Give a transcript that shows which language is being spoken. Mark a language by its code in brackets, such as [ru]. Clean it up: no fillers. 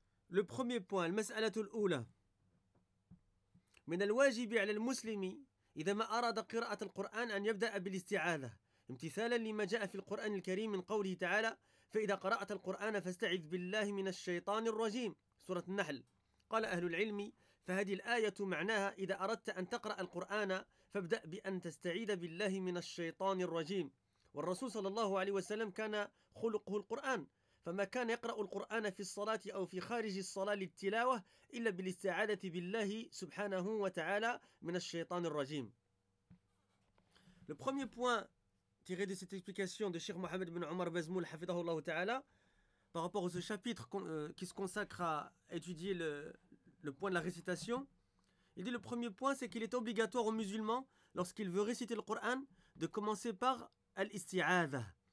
[fr] le premier point, [ar] المسألة الأولى. من الواجب على المسلم إذا ما أراد قراءة القرآن أن يبدأ بالاستعاذة، امتثالا لما جاء في القرآن الكريم من قوله تعالى فإذا قرأت القرآن فاستعذ بالله من الشيطان الرجيم، سورة النحل. قال أهل العلم: فهذه الآية معناها إذا أردت أن تقرأ القرآن فابدأ بأن تستعيذ بالله من الشيطان الرجيم. والرسول صلى الله عليه وسلم كان خلقه القرآن، فما كان يقرأ القرآن في الصلاة أو في خارج الصلاة للتلاوة إلا بالاستعاذة بالله سبحانه وتعالى من الشيطان الرجيم. [fr] Le premier point tiré de cette explication de Cheikh Mohamed ibn Omar Bazmoul hafidahullah ta'ala par rapport à ce chapitre qui se consacre à étudier le point de la récitation, il dit le premier point c'est qu'il est obligatoire aux musulmans, lorsqu'il veut réciter le Coran, de commencer par al-isti'adha.